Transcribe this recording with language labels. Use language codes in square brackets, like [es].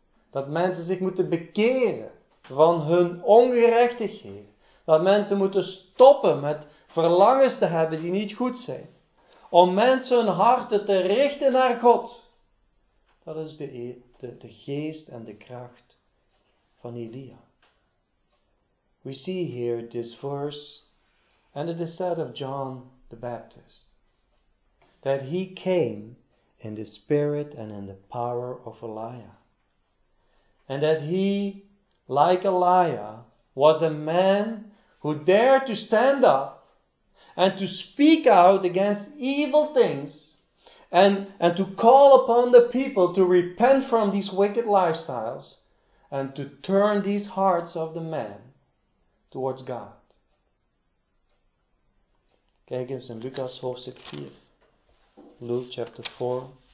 [nl] Dat mensen zich moeten bekeren van hun ongerechtigheden. Dat mensen moeten stoppen met verlangens te hebben die niet goed zijn. Om mensen hun harten te richten naar God. Dat is de geest en de kracht van Elia. [en] We see here this verse, and it is said of John the Baptist, that he came in the spirit and in the power of Elijah. And that he, like Elijah, was a man who dared to stand up and to speak out against evil things and to call upon the people to repent from these wicked lifestyles and to turn these hearts of the men towards God. [nl] Kijk eens in Lucas hoofdstuk 4. [en] Luke chapter 4.